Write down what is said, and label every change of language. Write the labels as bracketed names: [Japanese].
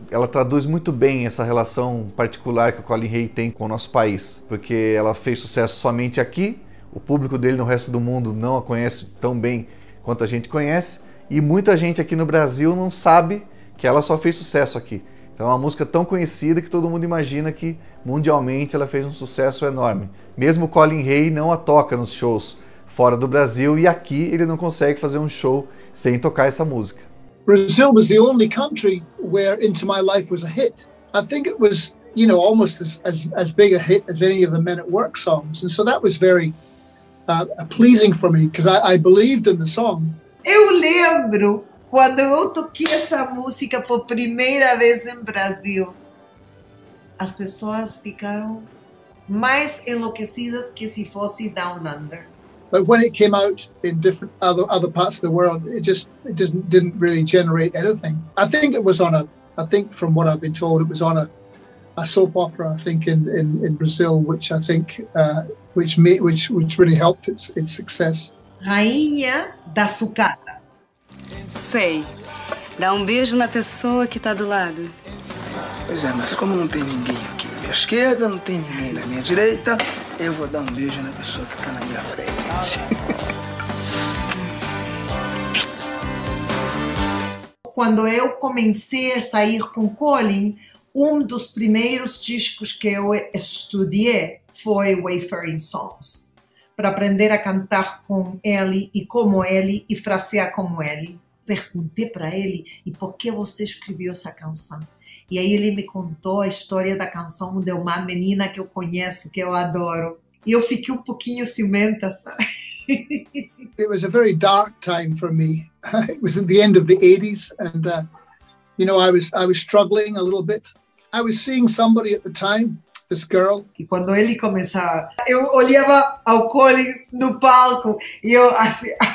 [Portuguese] Ela traduz muito bem essa relação particular que o Colin Hay tem com o nosso país, porque ela fez sucesso somente aqui, o público dele no resto do mundo não a conhece tão bem quanto a gente conhece, e muita gente aqui no Brasil não sabe que ela só fez sucesso aqui. Então é uma música tão conhecida que todo mundo imagina que mundialmente ela fez um sucesso enorme. Mesmo o Colin Hay não a toca nos shows fora do Brasil, e aqui ele não consegue fazer um show sem tocar essa música. [English] Brazil was the only country where Into My Life was a hit. I think it was, you know, almost as big a hit as any of the Men at Work songs. And so that was very pleasing for me, because I believed in the song. [Portuguese] Eu lembro quando eu toquei essa música por primeira vez em Brasil. As pessoas ficaram mais enlouquecidas que se fosse Down Under. [English] But when it came out in different other parts of the world, it just didn't really generate anything. I think it was on a soap opera, I think, in Brazil, which I think which really helped its success. [Portuguese] Rainha da Sucata. Sei. Dá beijo na pessoa que tá do lado. Pois é, mas como não tem ninguém aqui na minha esquerda, não tem ninguém na minha direita, eu vou dar beijo na pessoa que tá na minha frente. Quando eu comecei a sair com Colin, dos primeiros discos que eu estudei foi Wayfarings Sons, para aprender a cantar com ele e como ele e frasear como ele. Perguntei para ele: e por que você escreveu essa canção? E aí ele me contou a história da canção de uma menina que eu conheço, que eu adoro. E eu fiquei pouquinho ciumenta, sabe? [English] It was a very dark time for me. It was at the end of the 80s, and you know, I was struggling a little bit. I was seeing somebody at the time, this girl. [Portuguese] E quando ele começava, eu olhava ao Colin no palco e eu assim.